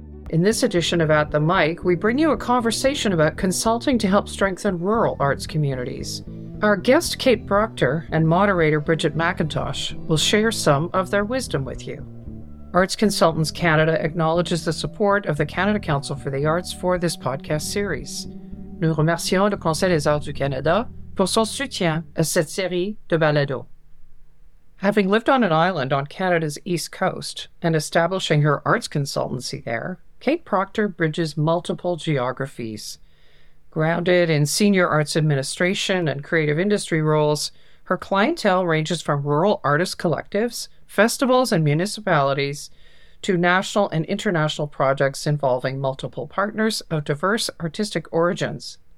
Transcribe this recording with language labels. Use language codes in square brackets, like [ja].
[en] In this edition of At the Mic, we bring you a conversation about consulting to help strengthen rural arts communities. Our guest, Kate Proctor, and moderator, Bridget McIntosh, will share some of their wisdom with you. Arts Consultants Canada acknowledges the support of the Canada Council for the Arts for this podcast series. [fr] Nous remercions le Conseil des Arts du Canada pour son soutien à cette série de balado. [en] Having lived on an island on Canada's east coast and establishing her arts consultancy there, Kate Proctor bridges multiple geographies. Grounded in senior arts administration and creative industry roles, her clientele ranges from rural artist collectives, festivals and municipalities, to national and international projects involving multiple partners of diverse artistic origins.